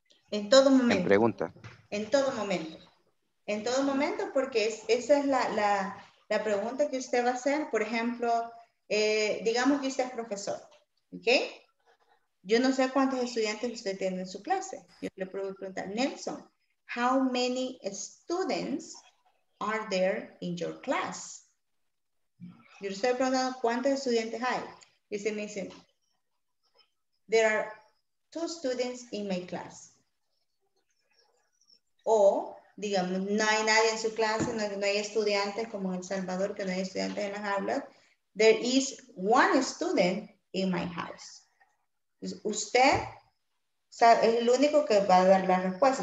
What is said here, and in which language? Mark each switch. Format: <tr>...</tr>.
<es>En todo momento. En pregunta. En todo momento. En todo momento, porque esa es la pregunta que usted va a hacer. Por ejemplo, digamos que usted es profesor. ¿Ok? Yo no sé cuántos estudiantes usted tiene en su clase. Yo le puedo preguntar,</es> <en>Nelson, how many students are there in your class?</en> <es>Yo le estoy preguntando cuántos estudiantes hay. Y usted me dice,</es> <en>there are 2 students in my class.</en> <es>O, digamos, no hay nadie en su clase, no hay estudiantes, como en El Salvador, que no hay estudiantes en las aulas.</es> <en>There is one student in my house.</en> <es>Usted es el único que va a dar la respuesta.</es>